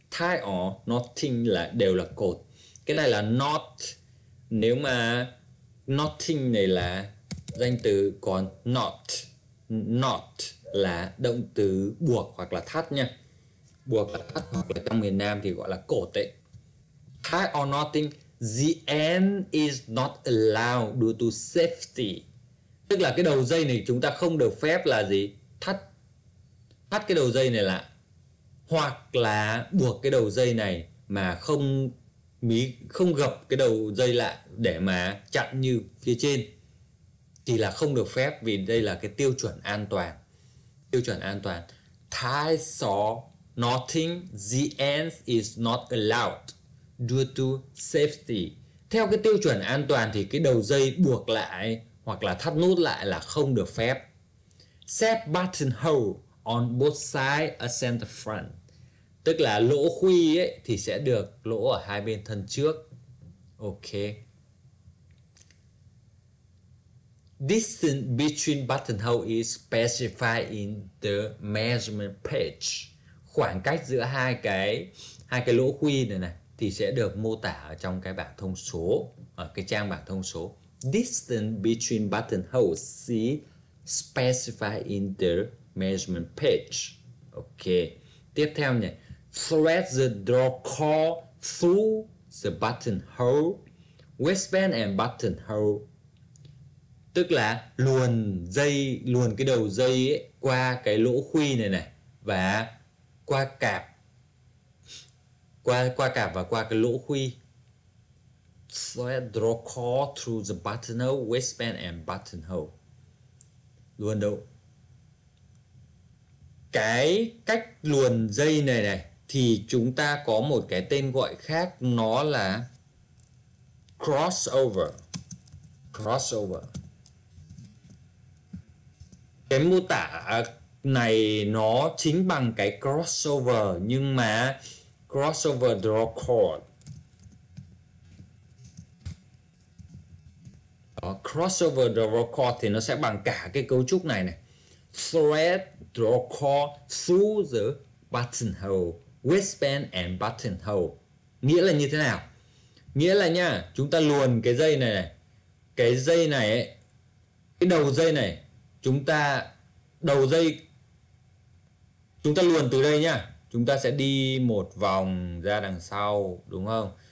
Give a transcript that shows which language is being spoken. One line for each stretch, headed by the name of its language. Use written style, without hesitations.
English: Tie or knotting
Vietnamese: là đều là cột. Cái này là knot. Nếu mà knotting này là danh từ, còn knot, knot là động từ buộc hoặc là thắt nha. Buộc là thắt, hoặc là trong miền Nam thì gọi là cột ấy.
English: Tie or knotting, the end is not allowed due to safety.
Vietnamese: Tức là cái đầu dây này chúng ta không được phép là gì? Thắt. Thắt cái đầu dây này lại. Hoặc là buộc cái đầu dây này mà không gập cái đầu dây lại để mà chặn như phía trên thì là không được phép, vì đây là cái tiêu chuẩn an toàn. Tiêu chuẩn an toàn.
English: Tie saw knotting the ends is not allowed due to safety.
Vietnamese: Theo cái tiêu chuẩn an toàn thì cái đầu dây buộc lại hoặc là thắt nút lại là không được phép.
English: Set buttonhole on both sides at center front.
Vietnamese: Tức là lỗ khuy ấy thì sẽ được lỗ ở hai bên thân trước. Ok.
English: Distance between buttonhole is specified in the measurement page.
Vietnamese: Khoảng cách giữa hai cái lỗ khuy này này thì sẽ được mô tả ở trong cái bảng thông số, ở cái trang bảng thông số.
English: Distance between buttonholes is specified in the measurement page. Ok.
Vietnamese: Tiếp theo nhỉ.
English: Thread the draw cord through the buttonhole, waistband and buttonhole.
Vietnamese: Tức là luồn cái đầu dây ấy qua cái lỗ khuy này này, và qua cạp và qua cái lỗ khuy.
English: Thread draw cord through the buttonhole, waistband and buttonhole.
Vietnamese: Luồn đâu? Cái cách luồn dây này này thì chúng ta có một cái tên gọi khác, nó là crossover. Crossover. Cái mô tả này nó chính bằng cái crossover, nhưng mà crossover draw cord. Đó, crossover draw cord thì nó sẽ bằng cả cái cấu trúc này này.
English: Thread draw cord through the buttonhole, waistband and buttonhole.
Vietnamese: Nghĩa là như thế nào? Nghĩa là nha, chúng ta luồn cái dây này này. Cái dây này ấy, cái đầu dây này, chúng ta đầu dây chúng ta luồn từ đây nhá. Chúng ta sẽ đi một vòng ra đằng sau, đúng không?